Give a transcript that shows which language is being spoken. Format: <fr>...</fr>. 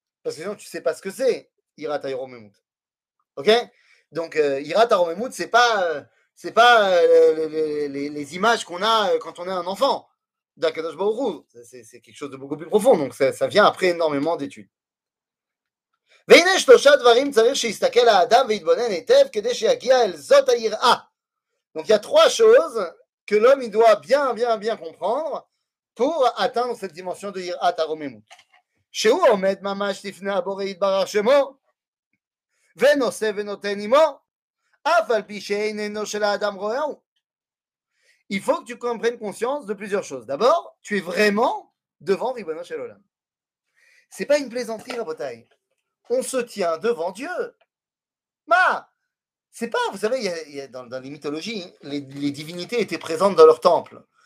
<fr>Parce que sinon, tu ne sais pas ce que c'est, Yirat HaRoméimut. Ok ? Donc, Yirat HaRoméimut, ce n'est pas, c'est pas les images qu'on a quand on est un enfant d'Akadosh Baruch Hu. C'est quelque chose de beaucoup plus profond. Donc, ça vient après énormément d'études.</fr> <he>והנה שלושה דברים צריך שיסתכל האדם ויתבונן היטב כדי שיגיע אל זאת היראה.</he> <fr>Donc, il y a trois choses que l'homme doit bien, bien, bien comprendre pour atteindre cette dimension de Yirat HaRoméimut.</fr> <he>שהוא עומד ממש לפני הבורא יתברך שמו ונושא ונותן עמו אף על פי שאיננו של האדם רואהו.</he> <fr>Il faut que tu prennes conscience de plusieurs choses. D'abord, tu es vraiment devant Ribono Shel Olam. C'est pas une plaisanterie, Rabotai. On se tient devant Dieu. Ma, c'est pas, vous savez, y a dans les mythologies, les divinités étaient présentes dans leur temple.</fr>